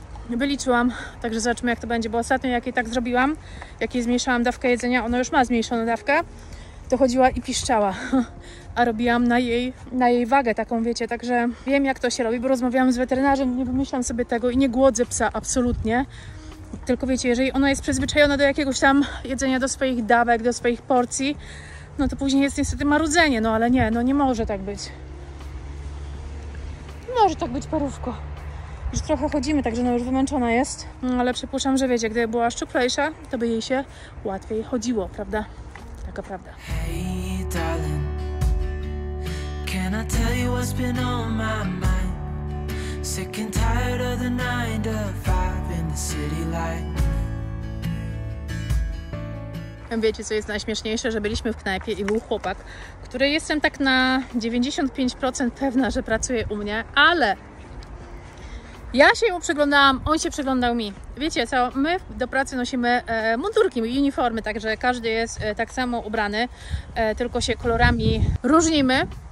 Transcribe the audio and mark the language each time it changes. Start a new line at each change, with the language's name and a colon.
Polish: Wyliczyłam, także zobaczmy, jak to będzie, bo ostatnio jak jej tak zrobiłam, jak jej zmniejszałam dawkę jedzenia, ona już ma zmniejszoną dawkę, to chodziła i piszczała, a robiłam na jej wagę taką, wiecie, także wiem, jak to się robi, bo rozmawiałam z weterynarzem, nie wymyślam sobie tego i nie głodzę psa absolutnie, tylko wiecie, jeżeli ona jest przyzwyczajona do jakiegoś tam jedzenia, do swoich dawek, do swoich porcji, no to później jest niestety marudzenie, no ale nie, no nie może tak być. Może tak być, parówko. Już trochę chodzimy, także no już wymęczona jest, ale przypuszczam, że wiecie, gdyby była szczuplejsza, to by jej się łatwiej chodziło, prawda? Taka prawda.
English: Hey darling, can I tell you what's been on my mind? Sick and tired of the 9-to-5 in the city life.
Polish: Wiecie, co jest najśmieszniejsze, że byliśmy w knajpie i był chłopak, który jestem tak na 95% pewna, że pracuje u mnie, ale ja się mu przyglądałam, on się przyglądał mi. Wiecie co, my do pracy nosimy mundurki, uniformy, także każdy jest tak samo ubrany, tylko się kolorami różnimy.